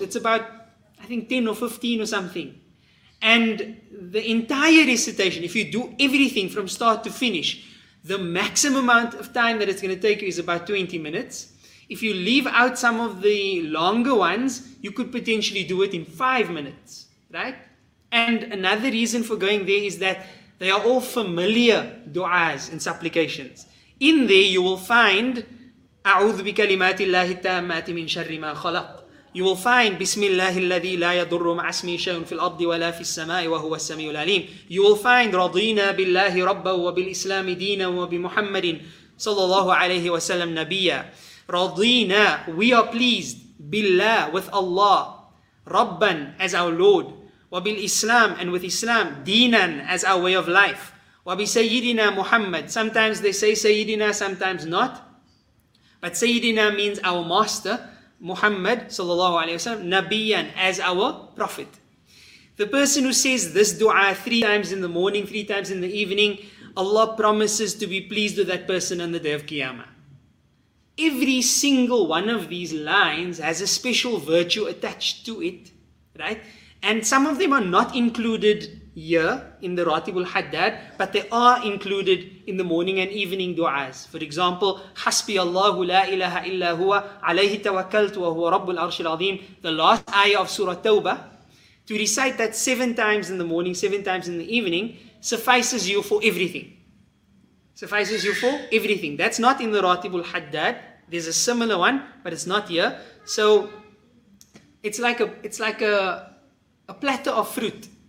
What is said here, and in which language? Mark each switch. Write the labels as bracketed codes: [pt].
[en] It's about, I think, 10 or 15 or something. And the entire recitation, if you do everything from start to finish, the maximum amount of time that it's going to take you is about 20 minutes. If you leave out some of the longer ones, you could potentially do it in 5 minutes, right? And another reason for going there is that they are all familiar du'as and supplications. In there, you will find [ar] أعوذ بكلمات الله التامات من شر ما خلق. [en] You will find [ar] بسم الله الذي لا يضر مع اسمه شيء في الأرض ولا في السماء وهو السميع العليم. [en] You will find [ar] رضينا بالله ربا وبالإسلام دينا وبمحمد صلى الله عليه وسلم نبيا. رضينا, [en] we are pleased, [ar] بالله, [en] with Allah, [ar] ربا, [en] as our Lord, [ar] وبالإسلام, [en] and with Islam, [ar] دينا, [en] as our way of life, [ar] وبسيدنا محمد. [en] Sometimes they say سيدنا, sometimes not. But Sayyidina means our master, Muhammad sallallahu alayhi wa sallam, Nabiyan, as our prophet. The person who says this dua three times in the morning, three times in the evening, Allah promises to be pleased with that person on the day of Qiyamah. Every single one of these lines has a special virtue attached to it, right? And some of them are not included here in the Ratibul Haddad, but they are included in the morning and evening du'as. [ar] For example, حَسْبِيَ اللَّهُ لَا إِلَهَ إِلَّا هُوَ عَلَيْهِ تَوَكَّلْتُ وَهُوَ رَبُّ الْعَرْشِ الْعَظِيمِ. [en] The last ayah of Surah Tawbah, to recite that 7 times in the morning, 7 times in the evening, suffices you for everything. Suffices you for everything. That's not in the Ratibul Haddad. There's a similar one, but it's not here. So it's like a platter of fruit.